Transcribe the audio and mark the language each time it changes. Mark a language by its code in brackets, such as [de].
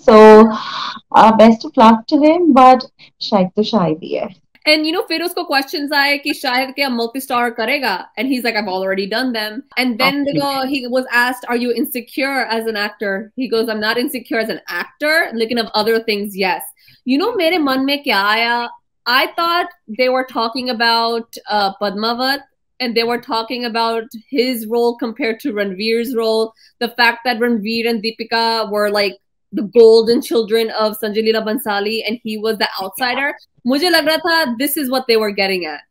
[en] So best of luck to him, but Shahid [hi] to Shahid hi hai. [en] And you know, [hi] फिर उसको questions आए कि शायद क्या multi-star करेगा, [en] and he's like, I've already done them. And then okay. He was asked, are you insecure as an actor? He goes, I'm not insecure as an actor, [hi] लेकिन [en] of other things, yes. You know, [hi] मेरे मन में क्या आया? [en] I thought they were talking about Padmavat, and they were talking about his role compared to Ranveer's role. The fact that Ranveer and Deepika were like the golden children of Sanjay Leela Bhansali, and he was the outsider. [hi] Mujhe lag raha tha, [en] this is what they were getting at.